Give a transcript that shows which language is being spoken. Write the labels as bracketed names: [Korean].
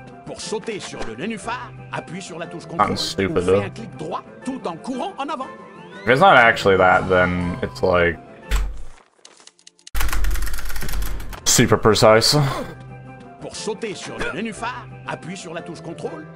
[French] Pour sauter sur le nénuphar, appuie sur la touche contrôle. [English] I'm stupid, though. [French] Fais un clic droit, tout en courant en avant. [English] If it's not actually that, then it's like super precise. [French] Pour sauter sur le nénuphar, appuie sur la touche contrôle.